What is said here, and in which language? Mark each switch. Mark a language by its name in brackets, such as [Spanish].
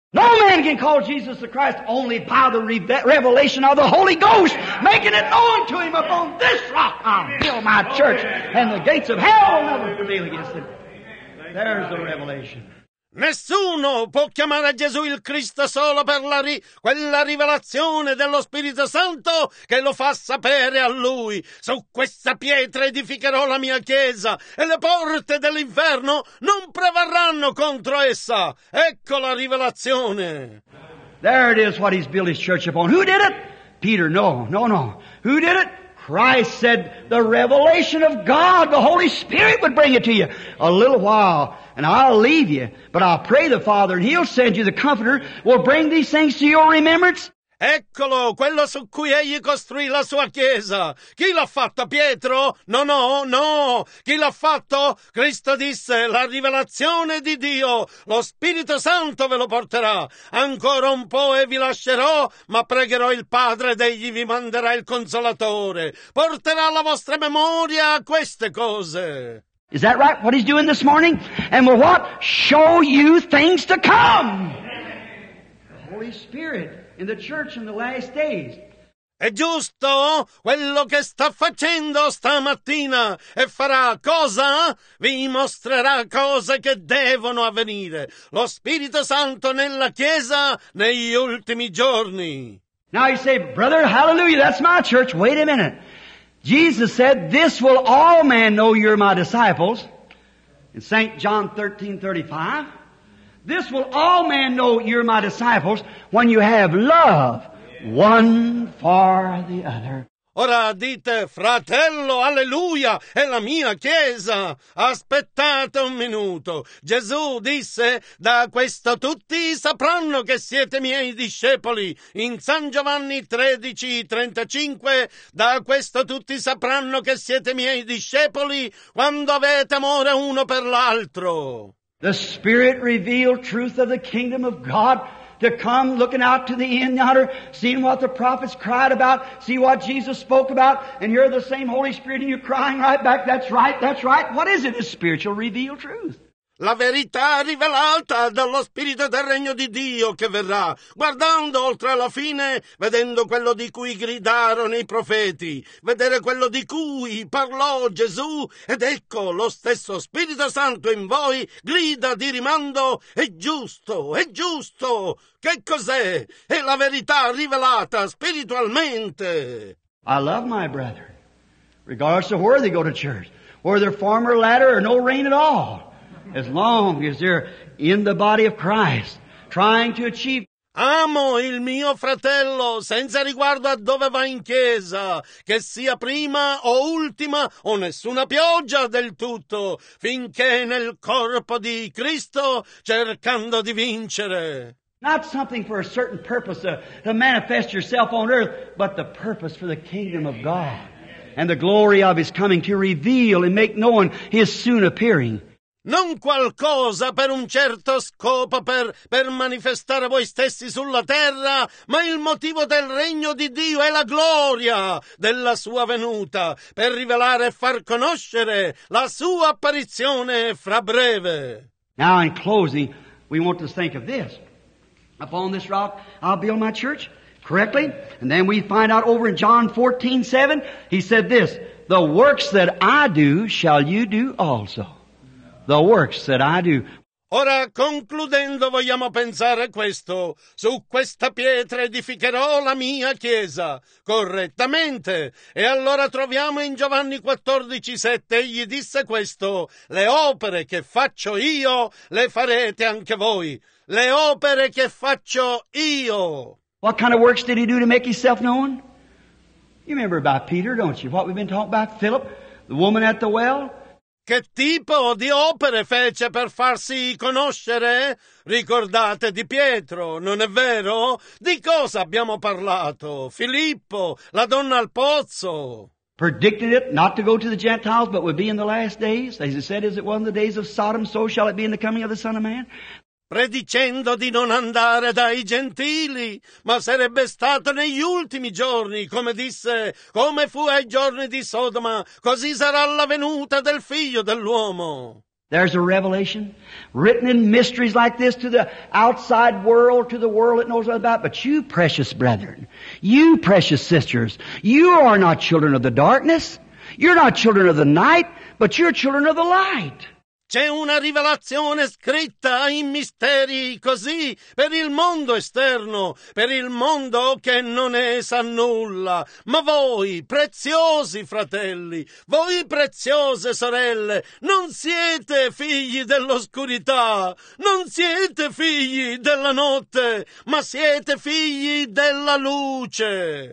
[English] No man can call Jesus the Christ only by the revelation of the Holy Ghost, making it known to him upon this rock. I'll build my church and the gates of hell will never prevail against it. There's the revelation. [Italian] Nessuno può chiamare Gesù il Cristo solo per quella rivelazione dello Spirito Santo che lo fa sapere a Lui. Su questa pietra edificherò la mia chiesa e le porte dell'inferno non prevarranno contro essa. Ecco la rivelazione. [English] There it is what he's built his church upon. Who did it? Peter, no. Who did it? Christ said, the revelation of God, the Holy Spirit would bring it to you. A little while, and I'll leave you, but I'll pray the Father, and He'll send you the Comforter, will bring these things to your remembrance. [Italian] Eccolo, quello su cui egli costruì la sua chiesa. Chi l'ha fatto, Pietro? No. Chi l'ha fatto? Cristo disse, la rivelazione di Dio, lo Spirito Santo ve lo porterà. Ancora un po' e vi lascerò, ma pregherò il Padre ed egli vi manderà il Consolatore. Porterà la vostra memoria a queste cose. [English] Is that right? What he's doing this morning? And will what? Show you things to come. The Holy Spirit. In the church in the last days. [Italian] È giusto quello che sta facendo stamattina e farà cosa? Vi mostrerà cose che devono avvenire. Lo Spirito Santo nella Chiesa negli ultimi giorni. [English] Now you say, brother, hallelujah, that's my church. Wait a minute. Jesus said, this will all men know you're my disciples. In St. John 13:35. This will all men know you're my disciples when you have love one for the other. [Italian] Ora dite, fratello, alleluia, è la mia chiesa. Aspettate un minuto. Gesù disse, da questo tutti sapranno che siete miei discepoli. In San Giovanni 13:35, da questo tutti sapranno che siete miei discepoli quando avete amore uno per l'altro. [English] The Spirit revealed truth of the kingdom of God to come looking out to the end yonder, seeing what the prophets cried about, see what Jesus spoke about, and you're the same Holy Spirit and you're crying right back, that's right, that's right. What is it? It's spiritual revealed truth. [Italian] la verità rivelata dallo Spirito del Regno di Dio che verrà, guardando oltre alla fine, vedendo quello di cui gridarono i profeti, vedere quello di cui parlò Gesù, ed ecco lo stesso Spirito Santo in voi grida di rimando: è giusto, è giusto! Che cos'è? È la verità rivelata spiritualmente! [English] I love my brother, regardless of where they go to church, whether farm or ladder or no rain at all, as long as they're in the body of Christ, trying to achieve. [Italian] Amo il mio fratello senza riguardo a dove va in chiesa, che sia prima o ultima o nessuna pioggia del tutto, finché nel corpo di Cristo cercando di vincere. [English] Not something for a certain purpose to manifest yourself on earth, but the purpose for the kingdom of God and the glory of His coming to reveal and make known His soon appearing. [Italian] Non qualcosa per un certo scopo per manifestare voi stessi sulla terra, ma il motivo del regno di Dio è la gloria della sua venuta, per rivelare e far conoscere la sua apparizione fra breve. [English] Now in closing, we want to think of this. Upon this rock I'll build my church correctly. And then we find out over in John 14:7, he said this: the works that I do shall you do also. The works that I do. [Italian] Ora, concludendo, vogliamo pensare questo. Su questa pietra edificherò la mia chiesa. Correttamente. E allora troviamo in Giovanni 14:7, egli disse questo: le opere che faccio io le farete anche voi. Le opere che faccio io. [English] What kind of works did he do to make himself known? You remember about Peter, don't you? What we've been talking about, Philip, the woman at the well. [Italian] Che tipo di opere fece per farsi conoscere? Ricordate di Pietro, non è vero? Di cosa abbiamo parlato? Filippo, la donna al pozzo. [English] Predicted it not to go to the Gentiles, but would be in the last days. As he said, as it was in the days of Sodom, so shall it be in the coming of the Son of Man. [Italian] Predicendo di non andare dai gentili, ma sarebbe stato negli ultimi giorni, come disse, come fu ai giorni di Sodoma, così sarà la venuta del figlio dell'uomo. [English] There's a revelation written in mysteries like this to the outside world, to the world that knows nothing about. But you, precious brethren, you, precious sisters, you are not children of the darkness, you're not children of the night, but you're children of the light. [Italian] C'è una rivelazione scritta in misteri così per il mondo esterno, per il mondo che non ne sa nulla. Ma voi, preziosi fratelli, voi preziose sorelle, non siete figli dell'oscurità, non siete figli della notte, ma siete figli della luce.